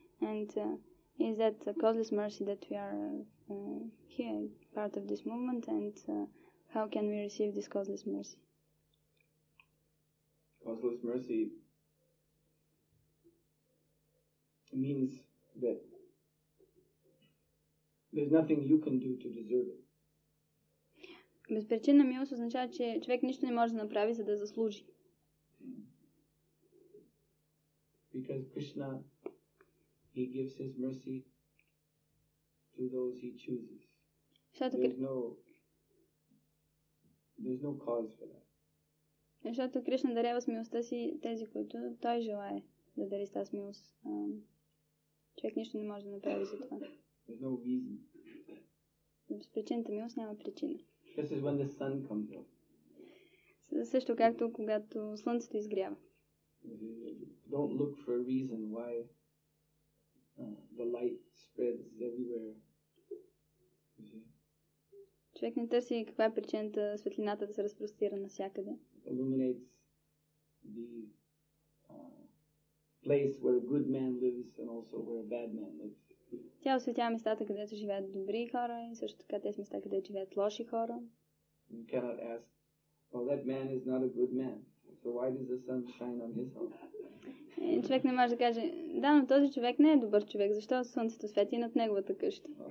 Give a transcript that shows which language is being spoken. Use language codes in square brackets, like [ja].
[en] And is that causeless mercy that we are here, part of this movement, and how can we receive this causeless mercy? Causeless mercy means that there's nothing you can do to deserve it. [bg] Безпричинна милост означава, че човек нищо не може да направи, за да заслужи. [en] Because Krishna, he gives his mercy to those he chooses. There's no cause for that. [bg] Защото Кришна дарява смилостта си тези, които той желае да дари тази смилост. Човек нищо не може да направи за това. [en] There's no reason. [bg] Без причината милост няма причина. [en] This is when the sun comes up. [bg] Също както когато слънцето изгрява. [en] Don't look for a reason why the light spreads everywhere. [bg] Човек не търси каква е причината светлината да се разпростира навсякъде. [en] Illuminates the place where a good man lives and also where a bad man lives. [bg] Тя осветява местата, където живеят добри хора и също така тези места, където живеят лоши хора. [en] You cannot ask, well, that man is not a good man. So why does the sun shine on his home? [bg] Човек не може да каже, да, но този човек не е добър човек. Защо слънцето свети над неговата къща?